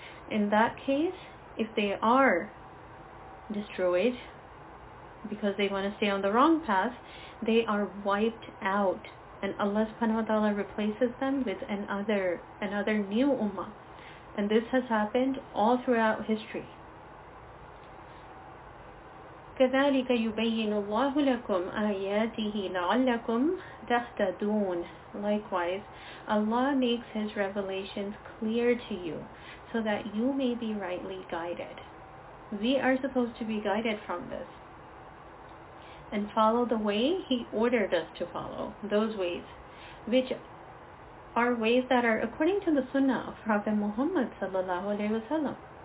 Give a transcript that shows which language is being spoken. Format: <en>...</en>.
<en>In that case, if they are destroyed because they want to stay on the wrong path, they are wiped out. And Allah subhanahu wa ta'ala replaces them with another new ummah. And this has happened all throughout history.</en> <ar>كذلك يبين الله لكم آياته لعلكم تهتدون.</ar> <en>Likewise, Allah makes His revelations clear to you so that you may be rightly guided. We are supposed to be guided from this and follow the way He ordered us to follow, those ways, which are ways that are according to the Sunnah of Prophet Muhammad sallallahu alaihi wasallam.</en>